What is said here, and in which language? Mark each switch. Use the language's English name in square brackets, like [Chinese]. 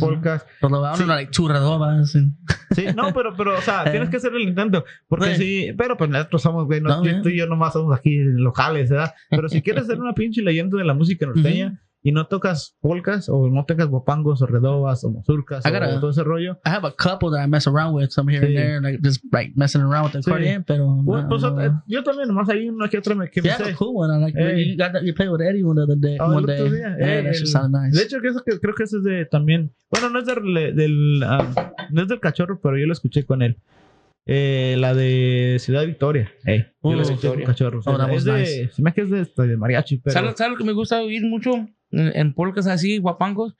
[Spanish] Polcas. Sí. Churradobas. Sí, no, pero, o sea, tienes que hacer el intento. Porque sí, pero pues nosotros somos, güey, tú y yo nomás somos aquí locales, ¿verdad? Pero si quieres ser una pinche leyenda de la música norteña, y no tocas polcas o no tocas guapangos o redobas o mazurcas o todo ese rollo. [English] I have a couple that I mess around with some here and there, like just like messing around with the accordion, pero [Spanish] yo también nomás ahí una que otra me sé. [English] Yeah, cool one. I like you played with Eddie one day. That sounds nice. [Spanish] De hecho creo que ese es de también, bueno, no es del cachorro, pero yo lo escuché con él. La de Ciudad Victoria. Cachorros. Se me que es de mariachi, pero ¿sabes lo que me gusta oír mucho? En polcas así, guapangos,